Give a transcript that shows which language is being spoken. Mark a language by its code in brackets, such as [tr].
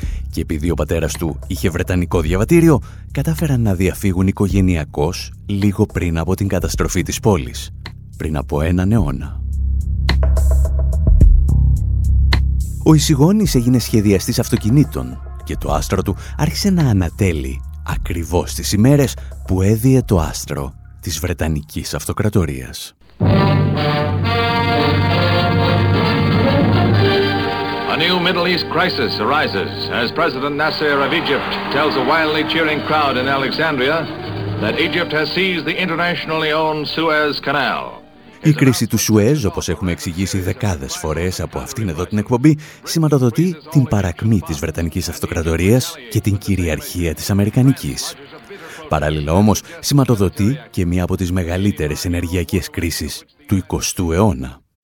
[el] Και επειδή ο πατέρας του είχε βρετανικό διαβατήριο, κατάφεραν να διαφύγουν οικογενειακώς λίγο πριν από την καταστροφή της πόλης, πριν από έναν αιώνα. Ο Ισηγόνης έγινε σχεδιαστής αυτοκινήτων και το άστρο του άρχισε να ανατέλει ακριβώς τις ημέρες που έδιε το άστρο της Βρετανικής Αυτοκρατορίας. [en] A new Middle East crisis arises as President Nasser of Egypt tells a wildly cheering crowd in Alexandria that Egypt has seized the internationally owned Suez Canal. [el] Η κρίση του Σουέζ, όπως έχουμε εξηγήσει δεκάδες φορές από αυτήν εδώ την εκπομπή, σηματοδοτεί την παρακμή της Βρετανικής Αυτοκρατορίας και την κυριαρχία της Αμερικανικής. Παράλληλα όμως, σηματοδοτεί και μία από τις μεγαλύτερες ενεργειακές κρίσεις του 20ου αιώνα.